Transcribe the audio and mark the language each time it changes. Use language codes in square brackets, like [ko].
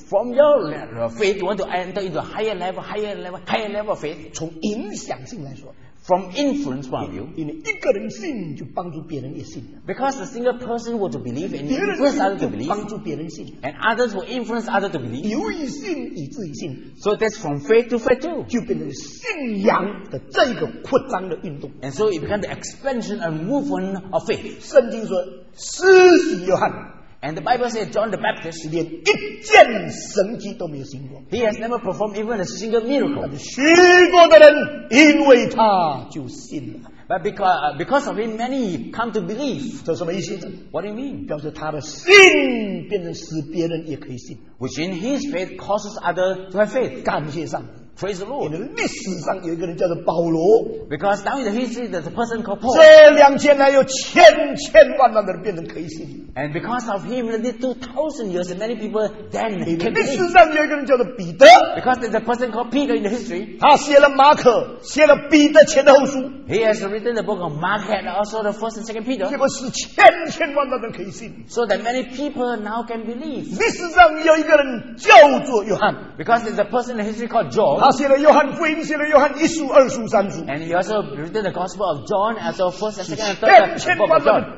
[en] From your faith, you want to enter into higher level, higher level, higher level of faith. [zh] 从影响性来说, [en] from influence point of view, [zh] 因为一个人信，就帮助别人也信。 [en] Because a single person were to believe, and influence others to believe, [zh] 帮助别人信, [en] and others will influence others to believe. [zh] 由于信以至于信, [en] so that's from faith to faith too. [zh] 就变成信仰的这个扩张的运动。 [en] And so it becomes the expansion and movement of faith. [zh] 圣经说, 施洗约翰, [en] and the Bible says John the Baptist, [zh] 连一件神迹都没有行过, [en] he has never performed even a single miracle. [zh] 但是许多的人因为他就信了。 [en] But because of him, many come to believe. [zh] 这什么意思? [en] What do you mean? [zh] 表示他的信变成使别人也可以信。 [en] Which in his faith causes others to have faith. [zh] 感谢上帝。 [en] Praise the Lord. [zh] 历史上有一个人叫做保罗, [en] because down in the history there's a person called Paul. [zh] 这2000年有千千万万的人变成可以信, [en] and because of him in the 2000 years many people then can believe. [zh] 历史上有一个人叫做彼得, [en] because there's a person called Peter in the history. [zh] 他写了马可, 写了彼得前后书, [en] he has written the book of Mark and also the 1st and 2nd Peter. [zh] 结果是千千万万的人可以信, [en] so that many people now can believe. [zh] 历史上有一个人叫做约翰, [en] because there's a person in the history called John. [zh] 他写了约翰福音，写了约翰一书、二书、三书。 [en] And he also written the Gospel of John as well, first and second and third book of John.